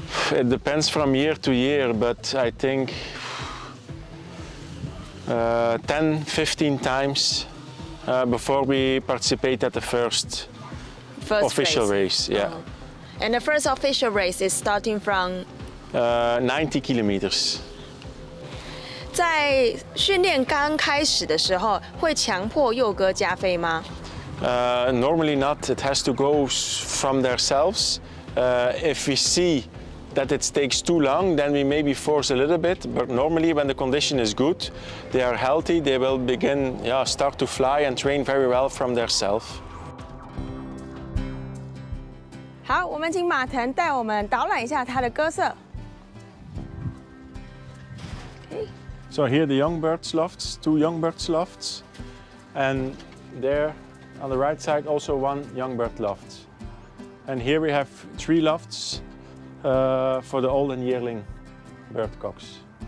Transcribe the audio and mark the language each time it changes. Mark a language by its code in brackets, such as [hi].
[en] It depends from year to year, but I think 10, 15 times. Before we participate at the first official race. Yeah. And the first official race is starting from 90 kilometers. [zh] 在训练刚开始的时候，会强迫幼鸽加飞吗？ [en] Normally not. It has to go from themselves. If we see that it takes too long, then we maybe force a little bit, but normally when the condition is good, they are healthy, they will begin, start to fly and train very well from theirself. [zh] 好，我们请马腾带我们导览一下他的鸽舍。 [en] So here the young birds lofts, two young birds lofts, and there on the right side also one young bird loft. And here we have three lofts, for the old and yearling bird cocks.